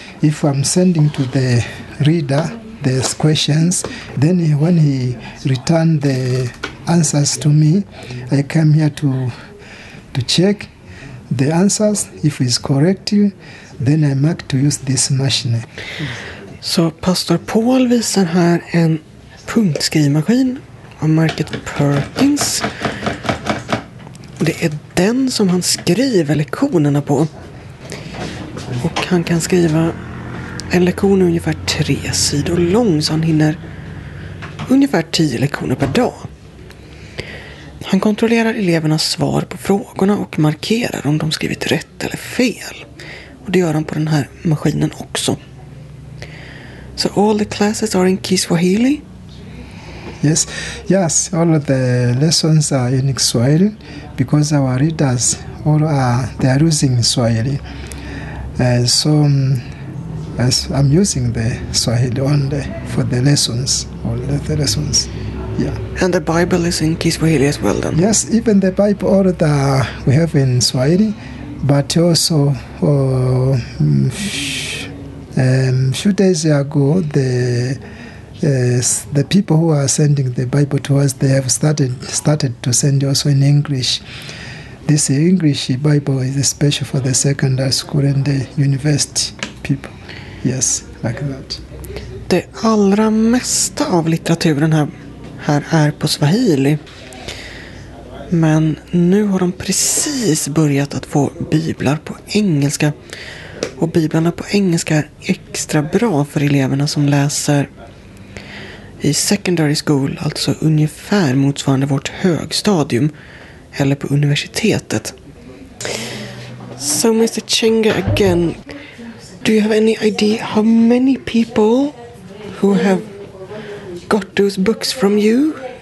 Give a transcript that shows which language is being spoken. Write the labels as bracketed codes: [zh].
[en] If I'm sending to the reader these questions, then when he return the answers to me, I come here to check the answers. If it's correct, then I mark to use this machine. [sv] So Pastor Paul visar här en punktskrivmaskin av märket Perkins. Det är den som han skriver lektionerna på. Och han kan skriva en lektion ungefär 3 sidor lång, så han hinner ungefär 10 lektioner per dag. Han kontrollerar elevernas svar på frågorna och markerar om de skrivit rätt eller fel. Och det gör han på den här maskinen också. [en] So all the classes are in Kiswahili. Yes, yes, all of the lessons are in Swahili because our readers all they are using Swahili. As I'm using the Swahili only for the lessons, all the lessons. Yeah. And the Bible is in Kiswahili as well then? Yes, even the Bible all the we have in Swahili, but also few days ago the people who are sending the Bible to us, they have started to send also in English. This English Bible is special for the secondary school and the university people. Yes, like that. [sv] Det allra mesta av litteraturen här är på Swahili. Men nu har de precis börjat att få biblar på engelska. Och biblarna på engelska är extra bra för eleverna som läser i secondary school, alltså ungefär motsvarande vårt högstadium, eller på universitetet. [en] So Mr. Chenga, again, do you have any idea how many people who have got those books from you?